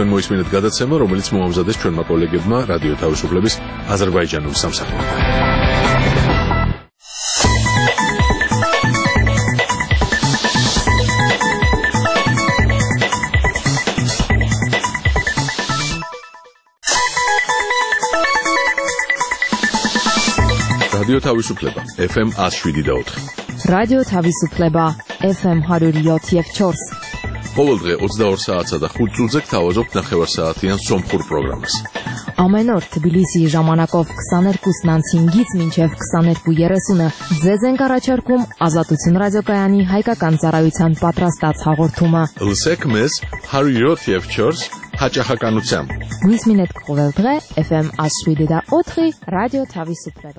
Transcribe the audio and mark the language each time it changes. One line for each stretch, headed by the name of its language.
Georgian: თქვენ მოისმინეთ გადაცემა, რომელიც მოამზადეს ჩვენმა კოლეგებმა რადიო თავისუფლების აზერბაიჯანული სამსახურიდან. Radio Tavisupleba FM 107.4. Radio Tavisupleba FM 107.4. ყოველ დღე 22 საათსა და 5 წუთზე გთავაზობთ 9:00-საათიან სომხურ პროგრამას.
Armenian: Ամեն օր Թբილիսիի ժամանակով 22:05-ից մինչև 22:30-ը ձեզ ենք առաջարկում Ազատություն ռադիոկայանի հայկական ծառայության պատրաստած հաղորդումը։ Լսեք մեզ 107.4 հաճախականությամբ։ Մինչ մինետ
Georgian: ყოველ დღე FM 107.4 Radio Tavisupleba